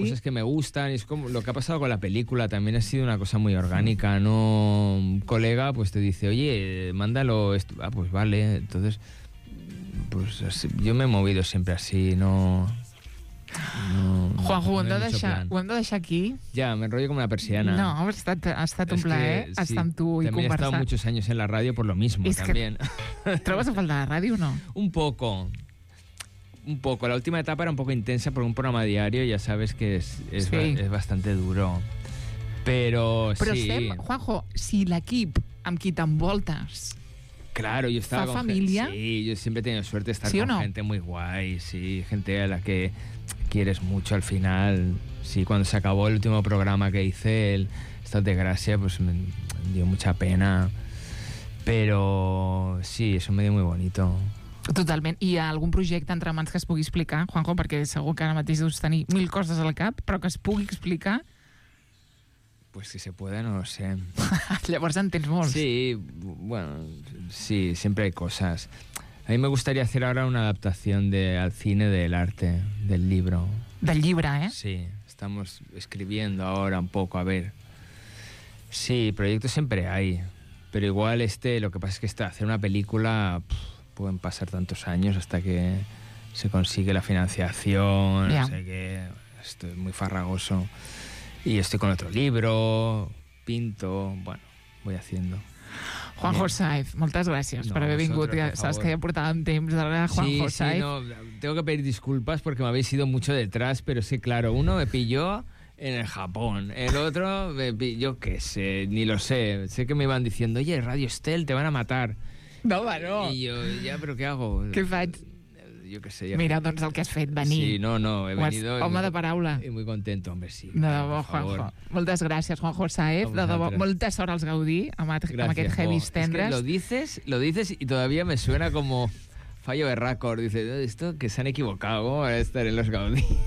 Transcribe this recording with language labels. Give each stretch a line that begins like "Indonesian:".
Spanish: Son cosas que me gustan. Y es como lo que ha pasado con la película. También ha sido una cosa muy orgánica, ¿no? Un colega pues te dice, oye, mándalo. Pues vale. Entonces, pues así, yo me he movido siempre así, ¿no?
Catalan: No, Juanjo, no, ho hem de deixar aquí. Ja, m'enrotllo com una persiana. No, ha estat un plaer estar amb tu i conversar. També he estat
Spanish: muchos años en la ràdio por lo mismo, también.
Catalan: Trobes a faltar la ràdio o no?
Spanish: Un poco. Un poco. La última etapa era un poco intensa por un programa diario, ya sabes que es bastante duro.
Catalan: Però sí. Juanjo, si l'equip amb qui t'envoltes...
Spanish: Claro, yo estaba con familia. Sí, yo siempre he tenido suerte de estar con gente muy guay, sí, gente a la que quieres mucho al final. Sí, cuando se acabó el último programa que hice, el Estado de Gracia, pues me dio mucha pena. Pero sí, eso me dio muy bonito.
Catalan: Totalment. I algun projecte entre mans que es pugui explicar, Juanjo, perquè segur que ara mateix deus tenir mil coses al cap, però que es pugui explicar...
Spanish: Pues si se puede, no lo sé.
Catalan: Llavors en tens molts.
Spanish: Sí, bueno, sí, siempre hay cosas. A mí me gustaría hacer ahora una adaptación al cine del arte, del libro.
Catalan: Del llibre, ¿eh?
Spanish: Sí, estamos escribiendo ahora un poco, a ver. Sí, proyectos siempre hay. Pero igual lo que pasa es que hacer una película pueden pasar tantos años hasta que se consigue la financiación, no sé qué. Esto es muy farragoso. Y estoy con otro libro, pinto... Bueno, voy haciendo.
Catalan: Juanjo Saiz, moltes gràcies per haver vingut. Ja, saps que ja portàvem temps darrere de Juanjo Saiz.
Spanish: Sí, no, tengo que pedir disculpas porque me habéis ido mucho detrás, pero sí, claro, uno me pilló en el Japón, el otro me pilló, yo qué sé, ni lo sé. Sé que me iban diciendo, oye, Radio Estel, te van a matar. No, va, no. Y yo, ya, pero ¿qué hago?
Catalan: ¿Qué faig?
Spanish: Yo qué sé, ya.
Catalan: Mira, doncs el que has fet, venir.
Spanish: Sí, no, he venido.
Catalan: Home de paraula.
Spanish: Y muy contento, hombre, sí.
Catalan: De debò, Juanjo. Moltes gràcies, Juanjo Saez. De debò, molta sort als Gaudí amb aquest Heavy Tendres.
Spanish: Es que lo dices y todavía me suena como fallo de record. Dices, esto que se han equivocado, ahora estaré en los Gaudí.